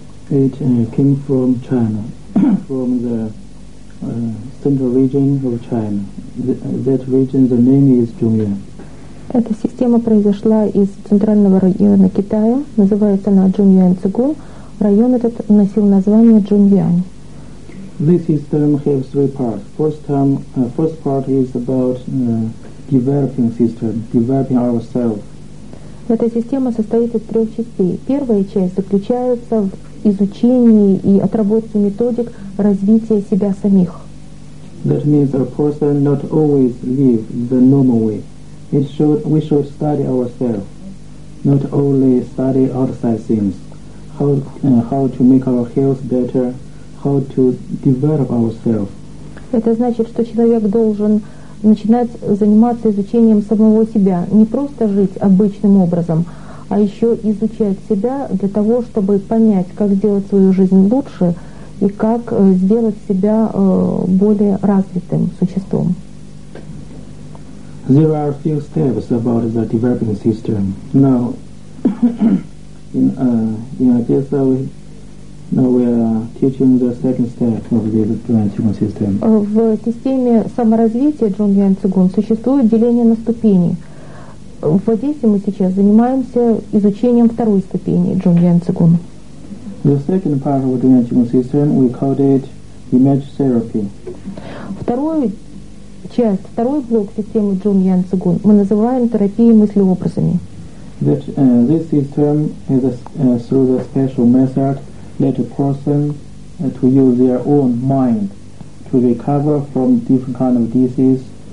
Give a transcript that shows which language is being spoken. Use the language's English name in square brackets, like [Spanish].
[English] It came from China, from the central region of China. That region, the name is Zhongyuan. [Russian] Эта система произошла из центрального района Китая. Называется она Zhongyuan Cigun. Район этот носил название Zhongyuan. [English] This system has three parts. First part is about developing system, developing ourselves. [Russian] Эта система состоит из трех частей. Первая часть заключается в изучении и отработке методик развития себя самих. [English] That means a person not always live the normal way. We should study ourselves, not only study outside things. How to make our health better, how to develop ourselves. [Russian] Это значит, что человек должен начинать заниматься изучением самого себя, не просто жить обычным образом, а еще изучать себя для того, чтобы понять, как сделать свою жизнь лучше и как сделать себя более развитым существом. [English] There are a few steps about the developing system. Now, in Odessa, we are teaching the second step of the Zhongyuan Cigun system. [Russian] В системе саморазвития Zhongyuan Cigun существует деление на ступени. В Одессе мы сейчас занимаемся изучением второй ступени Zhongyuan Cigun. [English] The second part of the Zhongyuan Cigun system we call it image therapy. [Russian] Второй блок системы Zhongyuan Cigun мы называем терапией мыслеобразами. [English] This system is through the special method let a person to use their own mind to recover from different kind of diseases.